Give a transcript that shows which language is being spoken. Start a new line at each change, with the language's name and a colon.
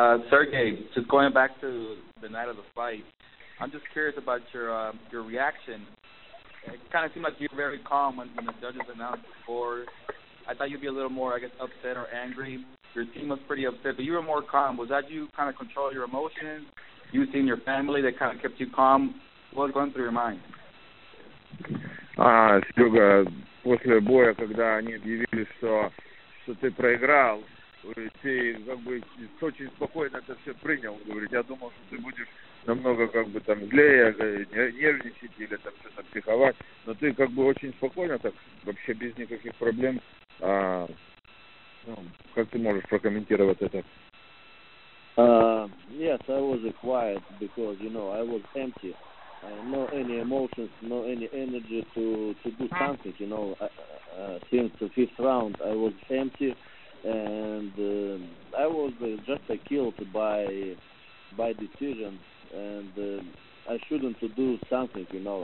English: Sergey, just going back to the night of the fight, I'm just curious about your reaction. It kind of seemed like you were very calm when the judges announced the score. I thought you'd be a little more, I guess, upset or angry. Your team was pretty upset, but you were more calm. Was that you kind of controlling your emotions? You seeing your family that kind of kept you calm? What was going through your mind?
Russian: Серега, после боя, когда они объявили, что ты проиграл, ты как бы очень спокойно это все принял. Говорит, я думал, что ты будешь намного как бы там злее, нервничать или там что-то психовать, но ты как бы очень спокойно, так вообще без никаких проблем. Как ты можешь прокомментировать это?
English: Yes, I was quiet because, you know, I was empty. No any emotions, no any energy to do something, you know. Since the fifth round, I was empty, and I was just killed by decision, and I shouldn't to do something, you know.